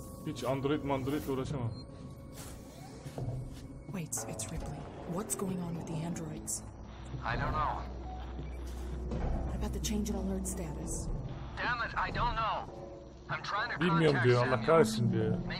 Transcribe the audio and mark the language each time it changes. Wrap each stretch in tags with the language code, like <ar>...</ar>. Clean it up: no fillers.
<tr>Hiç Android mandroid'le uğraşamam.</tr> <en>Wait, it's Ripley. What's going on with the androids? I don't know. What about the change in alert status? Damn it, I don't know.</en> <tr>Bilmiyorum diyor, Allah kahretsin diyor.</tr>